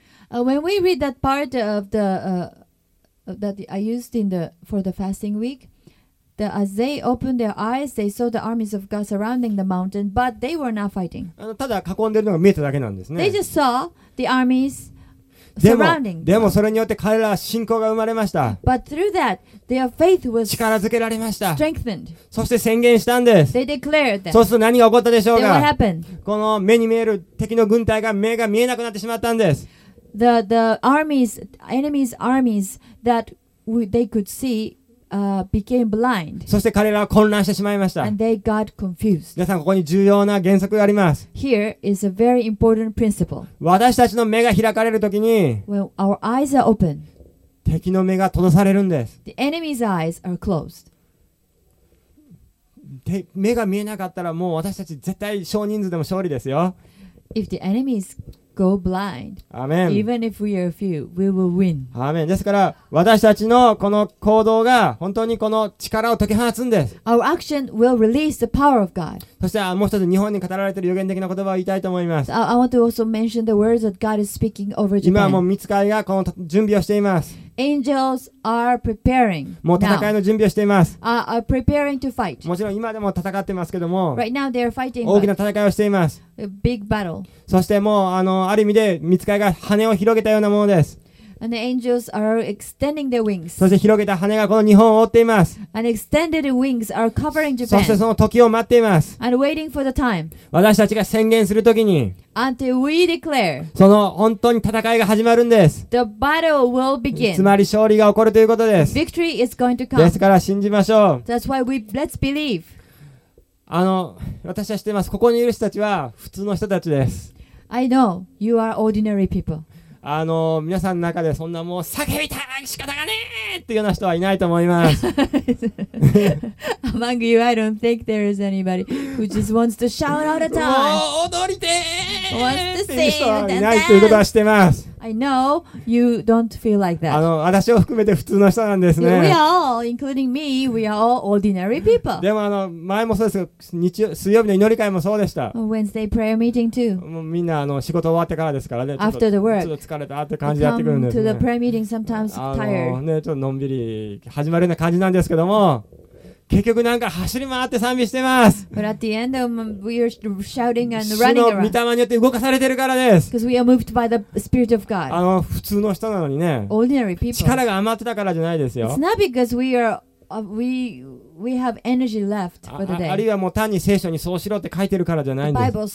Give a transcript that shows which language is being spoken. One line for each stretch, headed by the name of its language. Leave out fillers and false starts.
English: When we read that part of the, that I used in the, for the fasting week, the, as they opened their eyes, they saw the armies of God surrounding the mountain, but they were not fighting.
Japanese: ただ囲んでいるのが見えただけなんですね。
English: They just saw the armies.
Japanese: でもそれによって彼らは信仰が生まれました。
English: But through that, their faith was
Japanese: 力づけられました。
English: Strengthened.
Japanese: そして宣言したんです。
English: They declared that.
Japanese: そうすると何が起こったでしょうか。
English: Then what happened?
Japanese: この目に見える敵の軍隊が目が見えなくなってしまったんです。
English: The armies, enemy's armies that they could see, became blind.
Japanese: そして彼らは混乱してしまいました。
English: And they got confused.
Japanese: 皆さんここに重要な原則があります。
English: Here is a very important principle.
Japanese: 私たちの目が開かれるときに、
English: When our eyes are open,
Japanese: 敵の目が閉ざされるんです。
English: The enemy's eyes are closed.
Japanese: 目が見えなかったらもう私たち絶対少人数でも勝利ですよ。
English: If the enemy's go blind, Amen. Even if we are few, we will win. Amen.
Japanese: ですから私たちのこの行動が本当にこの力を解き放つんです。
English: Our action will release the power of God.
Japanese: そしてもう一つ日本に語られている予言的な言葉を言いたいと思います。
English: I want to also mention the words that God is speaking over Japan.
Japanese: 今はもう御使いがこの準備をしています。
English: Angels are preparing.
Japanese: もう戦いの準備をしています。
English: Are preparing to fight.
Japanese: もちろん今でも戦ってますけども。
English: Right now they are fighting.
Japanese: 大きな戦いをしています。
English: A big battle.
Japanese: そしてもうある意味で御使いが羽を広げたようなものです。
English: And the angels are extending their wings.
Japanese: そして広げた羽がこの日本を覆っています。
English: And extended wings are covering Japan.
Japanese: そしてその時を待っています。
English: And waiting for the time.
Japanese: 私たちが宣言するときに。
English: Until we declare,
Japanese: その本当に戦いが始まるんです。
English: The battle will begin.
Japanese: つまり勝利が起こるということです。
English: Victory is going to come.
Japanese: ですから信じましょう。
English: That's why we let's believe.
Japanese: 私は知っています。ここにいる人たちは普通の人たちです。
English: I know you are ordinary people.
Japanese: 皆さんの中でそんなもう叫びたい仕方がねえっていうような人はいないと思います。
English: Among you, I don't think there is anybody who just wants to shout out at all.
Japanese: 踊りて
English: え。Wants to sing
Japanese: いないということは知ってます。
English: I know you don't feel like that.
Japanese: あの、私を含めて普通の人なんですね。
English: We are all, including me, we are all ordinary people.
Japanese: でもあの、前もそうですけど、水曜日の祈り会もそうでした。
English: Wednesday prayer meeting too.
Japanese: もうみんなあの仕事終わってからですからね。
English: After the work.
Japanese: ちょっと疲れたって感じでやってくるんですね。
English: Come to the prayer meeting sometimes tired.
Japanese: ね、ちょっとのんびり始まるような感じなんですけども。結局なんか走り回って賛美してます。
English: But at the end, we are shouting and running around.
Japanese: 主の御霊によって動かされてるからです。
English: Because we are moved by the Spirit of God.
Japanese: あの普通の人なのにね。
English: Ordinary people.
Japanese: 力が余ってたからじゃないですよ。
English: It's not because we are we have energy left for the day.
Japanese: あるいはもう単に聖書にそうしろって書いてるからじゃないんです。